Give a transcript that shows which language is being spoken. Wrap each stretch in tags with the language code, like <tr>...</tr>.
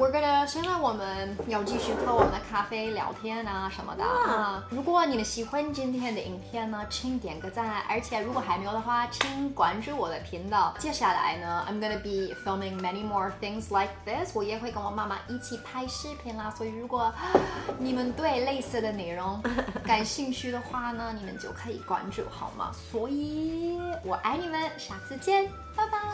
<en>We're gonna</en> <zh>现在我们要继续喝我们的咖啡聊天啊什么的、如果你们喜欢今天的影片呢，请点个赞，而且如果还没有的话，请关注我的频道。接下来呢</zh> <en>，I'm gonna be filming many more things like this.</en> <zh>我也会跟我妈妈一起拍视频啦。所以如果你们对类似的内容感兴趣的话呢，你们就可以关注好吗？所以我爱你们，下次见，拜拜。</zh>